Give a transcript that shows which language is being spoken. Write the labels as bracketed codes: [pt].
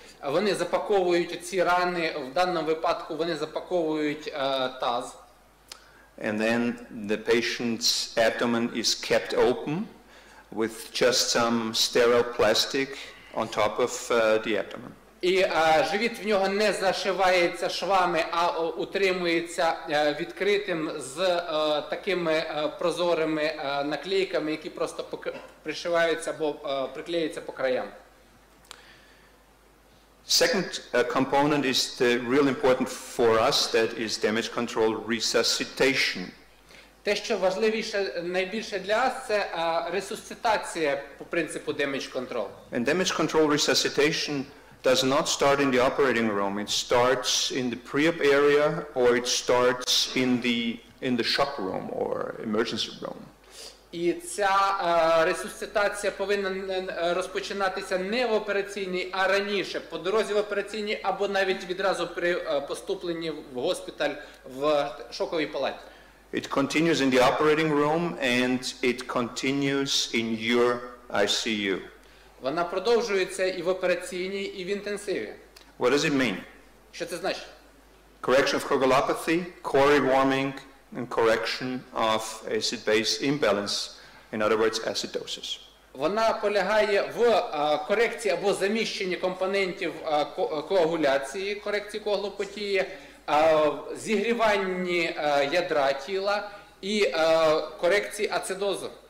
[uk] Вони запаковують ці рани, в даному випадку вони запаковують таз. [en] And then the patient's abdomen is kept open with just some sterile plastic on top of the abdomen. [uk] І живіт в нього не зашивається швами, а утримується відкритим з такими прозорими наклейками, які просто пришиваються або приклеюються по краям. [en] Second component is the real important for us, that is damage control resuscitation. [uk] Те, що важливіше, найбільше для нас, це ресуситація по принципу damage control. [en] And damage control resuscitation does not start in the operating room. It starts in the pre-op area, or it starts in the shock room or emergency room. [uk] І ця ресуситація повинна розпочинатися не в операційній, а раніше, по дорозі в операційній, або навіть відразу при поступленні в госпіталь в шоковій палаті. [en] It continues in the operating room and it continues in your ICU. [uk] Вона продовжується і в операційній, і в інтенсиві. [en] What does it mean? [uk] Що це значить? [en] Correction of coagulopathy, core warming, and correction of acid-base imbalance, in other words, acidosis. [uk] Вона полягає в корекції або заміщенні компонентів коагуляції, корекції коагулопатії, зігріванні ядра тіла і корекції ацидозу.